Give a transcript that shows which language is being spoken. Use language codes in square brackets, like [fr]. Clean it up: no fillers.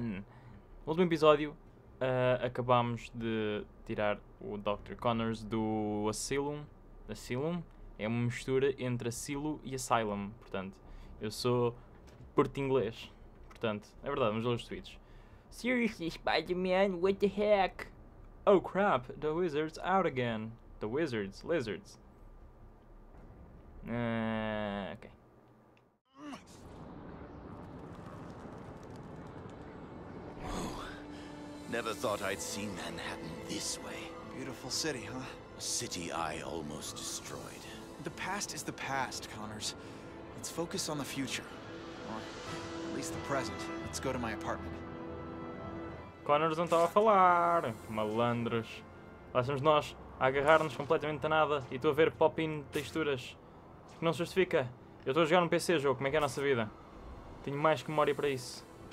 [pt] No último episódio, acabámos de tirar o Dr. Connors do Asylum. Asylum é uma mistura entre Asilo e Asylum, portanto, eu sou porto-inglês. Portanto, é verdade, vamos ler os tweets. [en] Seriously, Spider-Man, what the heck? Oh crap, the wizard's out again. The wizards, lizards. Ok. Never thought I'd see Manhattan this way. Beautiful city, huh? A city I almost destroyed. The past is the past, Connors. Let's focus on the future. Or at least the present. Let's go to my apartment. [pt] Connors não estava a falar. Malandros. Lá estamos nós a agarrar-nos completamente a nada. E estou a ver pop-in texturas. Que não se justifica. Eu estou a jogar num PC jogo. Como é que é a nossa vida? Tenho mais que memória para isso.